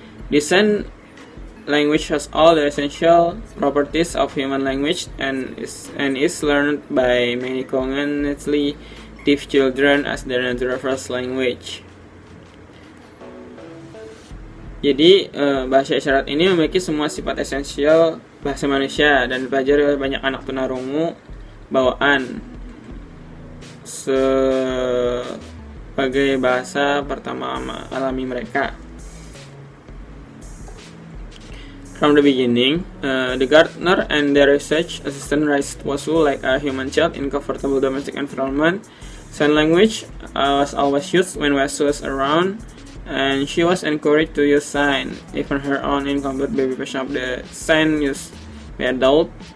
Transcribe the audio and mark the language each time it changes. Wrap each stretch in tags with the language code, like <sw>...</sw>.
<en>The sign language has all the essential properties of human language and is learned by many congenitally deaf children as their natural first language.</en> <id>Jadi, bahasa isyarat ini memiliki semua sifat esensial bahasa manusia dan dipelajari oleh banyak anak tunarungu bawaan sebagai bahasa pertama alami mereka.</id> <en>From the beginning, the gardener and their research assistant raised Washu like a human child in comfortable domestic environment. Sign language was always used when Washu was around, and she was encouraged to use sign, even her own incomplete baby version of the sign used by adult.</en>